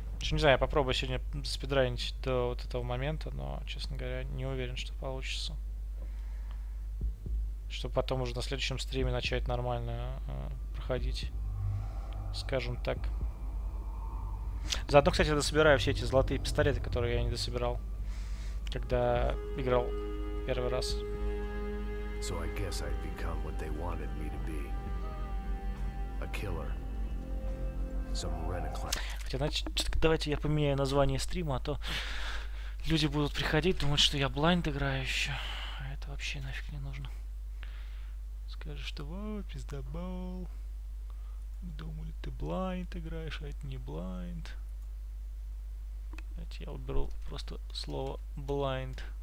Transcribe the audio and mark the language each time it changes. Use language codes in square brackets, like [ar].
[ru] Не знаю, я попробую сегодня спидранить до вот этого момента, но, честно говоря, не уверен, что получится. Чтобы потом уже на следующем стриме начать нормально проходить, скажем так. Заодно, кстати, я дособираю все эти золотые пистолеты, которые я не дособирал. когда играл первый раз. [en] So I guess I'd become what they wanted me to be. A killer. Some Renaclan. [ru] Хотя, значит, давайте я поменяю название стрима, а то люди будут приходить, думать, что я блайнд играю еще. А это вообще нафиг не нужно. Скажешь, что вот, пиздобол. Думали, ты блайнд играешь, а это не блайнд. Давайте я уберу просто слово блайнд.